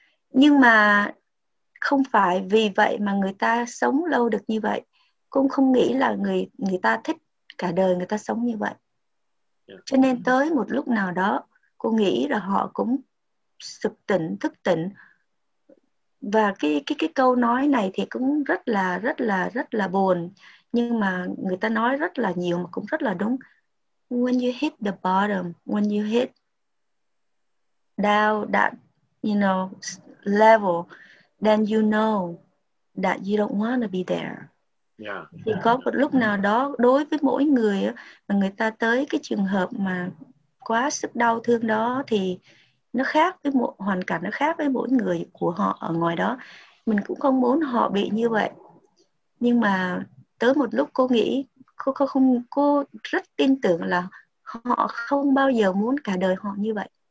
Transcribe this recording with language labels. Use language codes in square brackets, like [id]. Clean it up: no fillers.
[vi] Nhưng mà không phải vì vậy mà người ta sống lâu được như vậy, cũng không nghĩ là người ta thích cả đời người ta sống như vậy. Cho nên tới một lúc nào đó cô nghĩ là họ cũng sực tỉnh, thức tỉnh. Và cái câu nói này thì cũng rất là buồn, nhưng mà người ta nói rất là nhiều mà cũng rất là đúng. [en] When you hit the bottom, when you hit down that, you know, level, then you know that you don't want to be there. [vi] Thì có một lúc nào đó đối với mỗi người mà người ta tới cái trường hợp mà quá sức đau thương đó thì nó khác với một hoàn cảnh, nó khác với mỗi người của họ ở ngoài đó. Mình cũng không muốn họ bị như vậy, nhưng mà tới một lúc cô nghĩ cô rất tin tưởng là họ không bao giờ muốn cả đời họ như vậy.